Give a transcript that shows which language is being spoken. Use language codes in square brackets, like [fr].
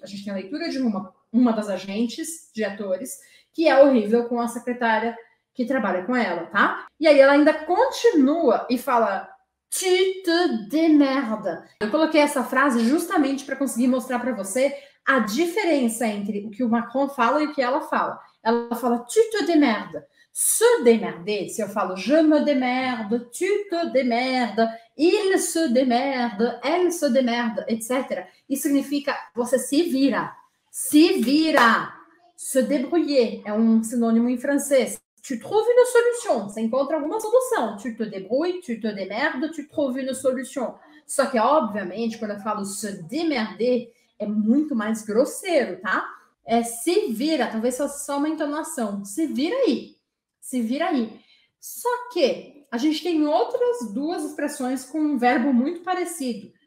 [pt] A gente tem a leitura de uma das agentes de atores que é horrível com a secretária que trabalha com ela, tá? E aí ela ainda continua e fala... [fr] Tu te démerdes. [pt] Eu coloquei essa frase justamente para conseguir mostrar para você a diferença entre o que o Macron fala e o que ela fala. Ela fala [fr] tu te démerdes. Se démerder, [pt] se eu falo [fr] je me démerde, tu te démerdes, il se démerde, elle se démerde, etc. [pt] Isso significa você se vira. Se vira. [fr] Se débrouiller [pt] é um sinônimo em francês. [fr] Tu trouves une solution. [pt] Você encontra alguma solução. [fr] Tu te débrouilles, tu te démerdes, tu trouves une solution. [pt] Só que, obviamente, quando eu falo se démerder, é muito mais grosseiro, tá? É se vira, talvez seja só uma entonação. Se vira aí. Se vira aí. Só que a gente tem outras duas expressões com um verbo muito parecido.